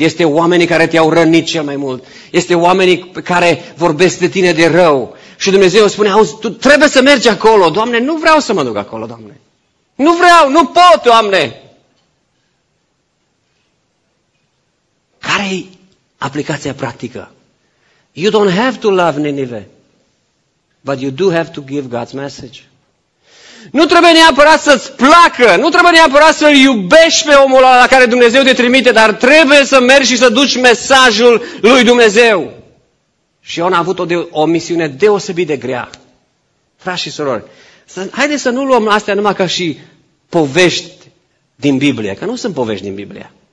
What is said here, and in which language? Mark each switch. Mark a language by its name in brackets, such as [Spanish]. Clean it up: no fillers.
[Romanian] Este oamenii care te-au rănit cel mai mult. Este oamenii pe care vorbesc de tine de rău. Și Dumnezeu spune, auzi, tu trebuie să mergi acolo. Doamne, nu vreau să mă duc acolo, Doamne. Nu vreau, nu pot, Doamne. Care-i aplicația practică? [English] You don't have to love Nineveh, but you do have to give God's message. [Romanian] Nu trebuie neapărat să-ți placă, nu trebuie neapărat să-l iubești pe omul ăla la care Dumnezeu te trimite, dar trebuie să mergi și să duci mesajul lui Dumnezeu. Și Iona a avut o misiune deosebit de grea. Frați și surori, haideți să nu luăm astea numai ca și povești din Biblie, că nu sunt povești din Biblie.